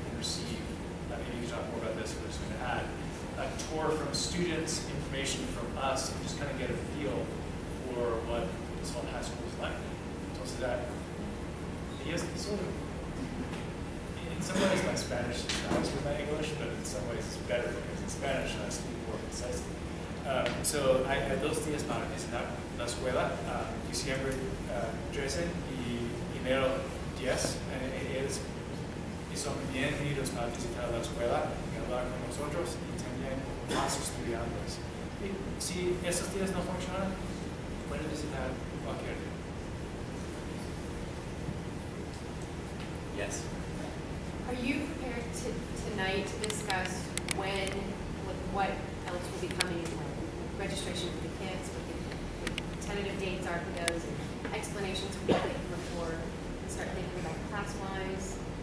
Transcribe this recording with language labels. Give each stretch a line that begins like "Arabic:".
English: Receive, maybe you can talk more about this, but I'm just going to add a tour from students, information from us, and just kind of get a feel for what this whole high school is like. Don't say that. Yes, it's sort of, in some ways, my Spanish is not as good as my English, but in some ways, it's better because in Spanish, I speak more concisely. So, I had
Spanish: dos días para visitar la escuela, diciembre 13 y enero 10, es. Y son bienvenidos para visitar la escuela y hablar con nosotros y también más estudiantes. Y si esos días no funcionan, pueden visitar cualquier día.
English: Yes. Are you prepared tonight to discuss when, what else will be coming, like registration for the kids, what the tentative dates are for those, and explanations for what they before we start thinking about class-wise?